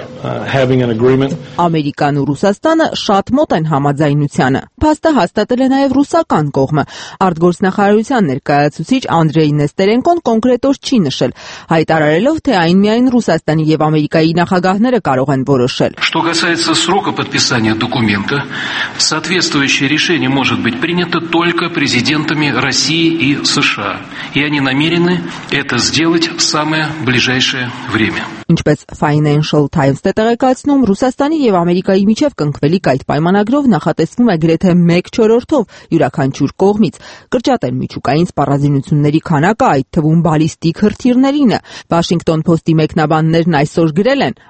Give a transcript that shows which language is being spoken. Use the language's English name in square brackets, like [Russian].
[English] having an agreement. [Armenian] Ամերիկան ու Ռուսաստանը շատ մոտ են համաձայնությանը։ Փաստը հաստատել է նաև ռուսական կողմը։ Արտգործնախարարության ներկայացուցիչ Անդրեյ Նեստերենկոն կոնկրետոր չի նշել, հայտարարելով, թե այն միայն Ռուսաստանի և Ամերիկայի նախագահները կարող են որոշել։ [Russian] Что касается срока подписания документа, соответствующее решение может быть принято только президентами России и США. И они намерены это сделать в самое ближайшее время. [Armenian] Ինչպես Financial Times-ը տեղեկացնում, Ռուսաստանի և Ամերիկայի միջև կնքվելիք այդ պայմանագրով նախատեսվում է գրեթե 1/4-ով յուրաքանչյուր կողմից կրճատել միջուկային սպառազինությունների քանակը, այդ թվում բալիստիկ հրթիռներինը։ Washington Post-ի մեկնաբաններն այսօր գրել են.